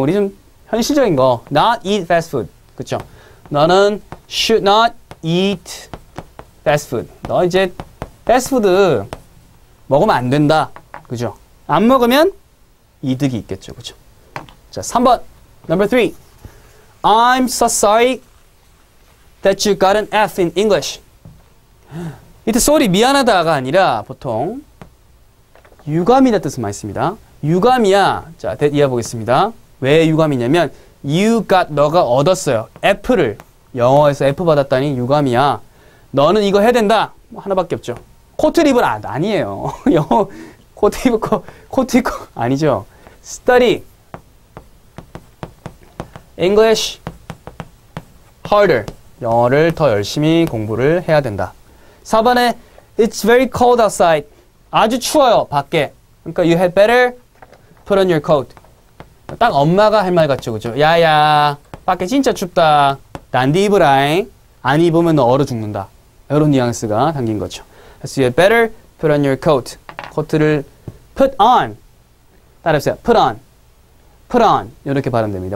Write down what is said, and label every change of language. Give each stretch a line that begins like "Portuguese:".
Korean: 우리 좀 현실적인 거.
English: Not eat fast food.
Korean: 그쵸? 너는
English: should not eat fast food.
Korean: 너 이제 패스트푸드 먹으면 안 된다. 그죠? 안 먹으면 이득이 있겠죠. 그죠? 자, 3번.
English: Number 3. I'm so sorry that you got an F in English.
Korean: 이때 sorry, 미안하다가 아니라 보통 유감이다 뜻을 많이 씁니다. 유감이야. 자, 이해해보겠습니다. 왜 유감이냐면
English: you got,
Korean: 너가 얻었어요. F를 영어에서 F 받았다니 유감이야. 너는 이거 해야 된다. 뭐 하나밖에 없죠. 코트 입을 아니에요. 영어 코트 입고 코트 입고 아니죠.
English: Study English harder.
Korean: 영어를 더 열심히 공부를 해야 된다. 4번에
English: It's very cold outside.
Korean: 아주 추워요 밖에.
English: 그러니까 you had better put on your coat.
Korean: 딱 엄마가 할 말 같죠, 그죠? 야야, 밖에 진짜 춥다. 난디 입으라잉. 안 입으면 너 얼어 죽는다. 이런 뉘앙스가 담긴 거죠.
English: So you better put on your coat. 코트를 put on.
Korean: 따라해보세요.
English: Put on. Put on.
Korean: 이렇게 발음됩니다.